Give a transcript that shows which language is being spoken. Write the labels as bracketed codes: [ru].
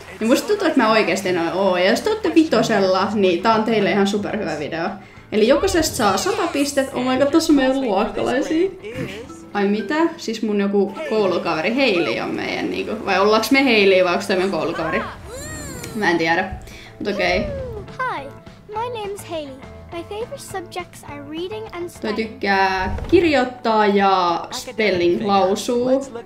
[fi] Ja musta tuntuu, että mä oikeesti en oo. Ja jos te olette vitosella, niin tää on teille ihan superhyvä video. Eli jokaisesta saa 100 pistet. [en] Oh my god, [fi] tossa on meidän luokkalaisia. Ai mitä? Siis mun joku koulukaveri Hailey on meidän niinku. Vai ollaanko me Hailey vai onko toi meidän koulukaveri? Mä en tiedä. Mut okei. [en] Hi, my name's Hailey. My favorite subjects are reading and spelling. [fi] Toi tykkää kirjoittaa ja spelling lausuu.